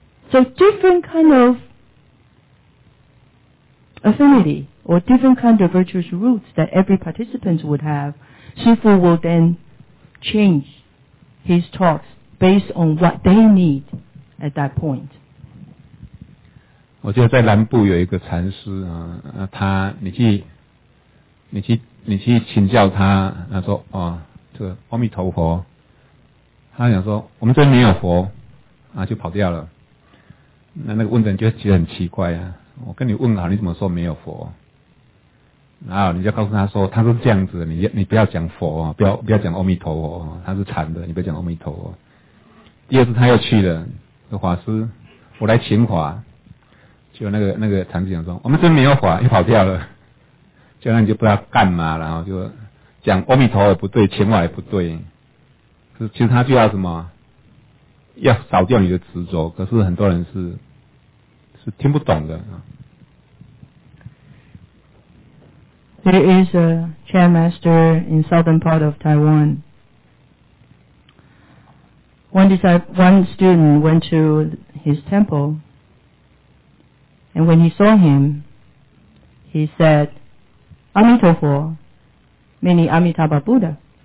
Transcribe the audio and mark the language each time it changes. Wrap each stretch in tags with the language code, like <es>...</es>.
<en>So different kind of affinity or different kind of virtuous roots that every participant would have, Shufu will then change his talks based on what they need at that point.</en> <zh>我记得在南部有一个禅师啊，他你去请教他，他说啊，这个阿弥陀佛，他想说我们这边没有佛啊，就跑掉了。那个问的人就觉得很奇怪啊，我跟你问好，你怎么说没有佛？然后你就告诉他说，他是这样子，你不要讲佛，不要讲阿弥陀佛，他是禅的，你不要讲阿弥陀佛。第二次他又去了，说法师，我来请法，就那个禅师讲说，我们这边没有法，又跑掉了，这样你就不知道干嘛，然后就讲阿弥陀也不对，请法也不对，其实他就要什么？要扫掉你的执着，可是很多人是听不懂的。</zh> <en>There is a chair master in southern part of Taiwan. One student went to his temple, and when he saw him, he said, "Amitabha," meaning Amitabha Buddha.</en>